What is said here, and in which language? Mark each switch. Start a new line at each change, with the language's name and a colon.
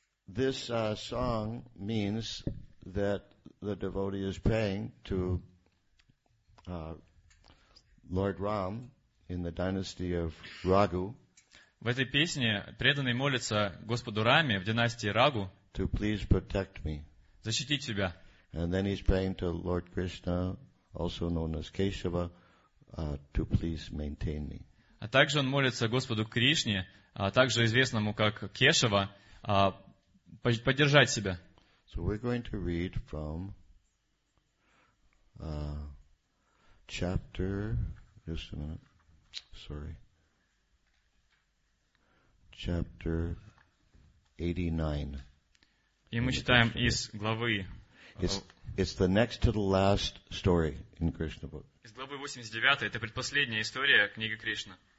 English: This song means that the devotee is praying to Lord Ram, in the dynasty of Raghu.
Russian: В этой песне преданный молится Господу Раме в династии Рагу.
English: To please protect me.
Russian: Защитить себя.
English: And then he's praying to Lord Krishna, also known as Keshava, to please maintain me.
Russian: А также он молится Господу Кришне, также известному как Кешава, поддержать себя.
English: So we're going to read from chapter. Just a minute. Sorry. Chapter 89.
Russian: И мы читаем из главы.
English: It's the next to the last story in Krishna book.
Russian: Из главы 89. Это предпоследняя история книги Кришна.